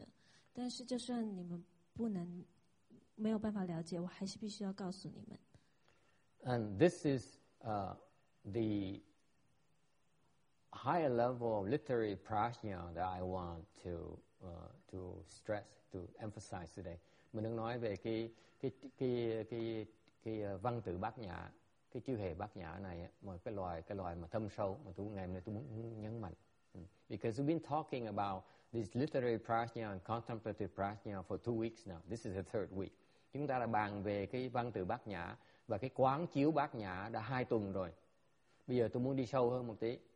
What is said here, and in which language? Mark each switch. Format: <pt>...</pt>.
<zh>而这个真理呢，佛教真理是非常难懂的。但是就算你们不能 没有办法了解，我还是必须要告诉你们。</zh> <en>And this is the higher level of literary prajna that I want to stress, to emphasize today.</en> <vi>Mình đang nói về cái văn tự bát nhã, cái chư hề bát nhã này, mà cái loài mà thâm sâu mà ngày hôm nay tôi muốn nhấn mạnh.</vi> <en>Because we've been talking about this literary prajna and contemplative prajna for 2 weeks now. This is the third week.</en> <vi>Chúng ta đã bàn về cái văn tự bát nhã và cái quán chiếu bát nhã đã 2 tuần rồi. Bây giờ tôi muốn đi sâu hơn một tí.</vi>